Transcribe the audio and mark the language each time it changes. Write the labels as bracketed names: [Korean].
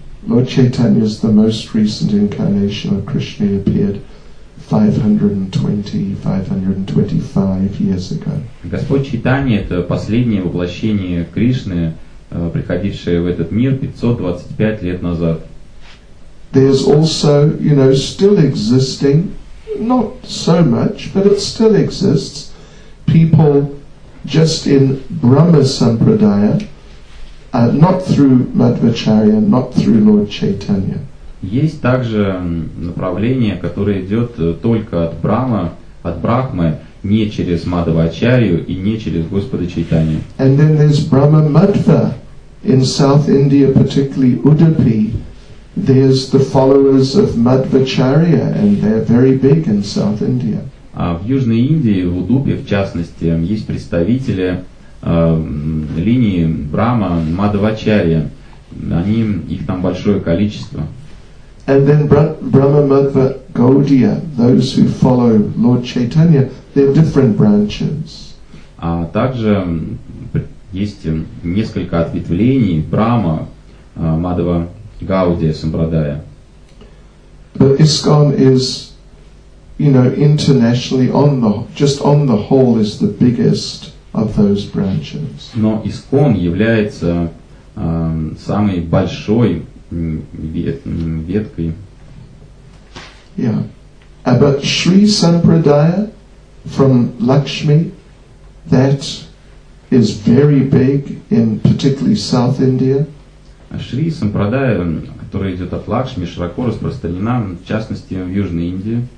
[English] Lord Chaitanya is the most recent incarnation of Krishna. He appeared 525 years ago. [Russian] Господь Чайтанья — это последнее воплощение Кришны, приходившее в этот мир 525 лет назад. [English] There's also, you know, still existing, not so much, but it still exists, people just in Brahma Sampradaya. Not through Madhvacharya, not through Lord Chaitanya. [Russian] Есть также направление, которое идет только от Брахма, от Брахмы, не через Мадхвачарью и не через Господа Чайтанью. [English] And then there's Brahma Madhva in South India, particularly Udupi. There's the followers of Madhvacharya, and they're very big in South India. [Russian] А в Южной Индии, в Удупи, в частности, есть представители линии Брахма Мадхвачарья. Они, их там большое количество. [English] And then Brahma Madhva Gaudiya, those who follow Lord Chaitanya, they're different branches. [Russian] А также есть несколько ответвлений Брахма Мадхва Гаудия Сампрадая. [English] But ISKCON is, you know, internationally on the whole is the biggest of those branches. [Russian] Но ISKCON является самой большой веткой. [English] Yeah. But Sri Sampradaya from Lakshmi, that is very big in particularly South India. [Russian] Шри Сампрадая, которая идет от Лакшми, широко распространена, в частности, в Южной Индии.